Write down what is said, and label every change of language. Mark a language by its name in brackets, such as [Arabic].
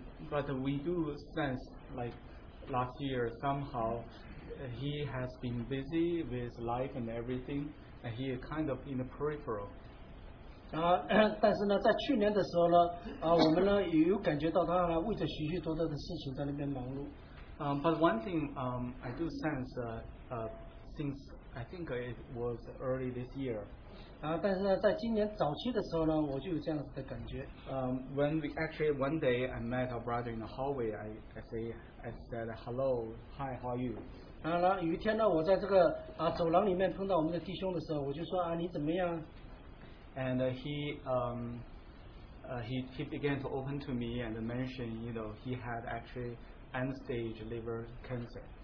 [English] but we do sense like last year somehow he has been busy with life and everything, and he is kind of in the peripheral. [Chinese] 但是呢, 在去年的时候呢, 我们呢, 也有感觉到他为着许许多多的事情在那边忙碌。 [English] But one thing I do sense since I think it was early this year. [Chinese] 但是呢,在今年早期的时候呢,我就有这样子的感觉。 [English] When we actually one day I met our brother in the hallway, I said hello, hi, how are you? [Chinese] 有一天呢,我在这个走廊里面碰到我们的弟兄的时候,我就说,你怎么样? [English] And he began to open to me and mention, you know, he had actually end stage liver cancer.